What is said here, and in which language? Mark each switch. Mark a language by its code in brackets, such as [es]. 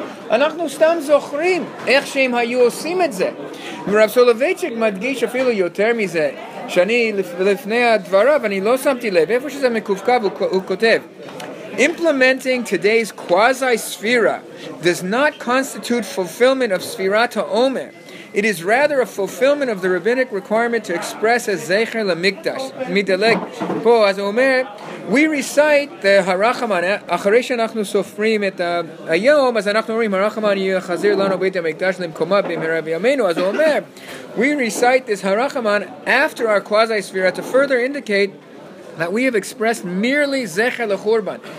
[he] אנחנו סתם זוכרים איך שהם היו עושים את זה. ורב סולובייצ'יק מדגיש אפילו יותר מזה, שאני לפני הדבריו, אני לא שמתי לב, איפה שזה מקווקו הוא כותב, [en] implementing today's quasi-sphira does not constitute fulfillment of Sfirat HaOmer. It is rather a fulfillment of the rabbinic requirement to express as Zecher LaMikdash. [he] Midaleg po, [en] as Omer, we recite the Harachaman, [he] אחרי שאנחנו סופרים את היום, אז אנחנו אומרים, Harachaman יחזיר לנו בית המקדש למקומה במהרה בימינו. [en] As Omer, we recite this Harachaman after our quasi-sphira to further indicate that we have expressed merely Zecher LeChorban.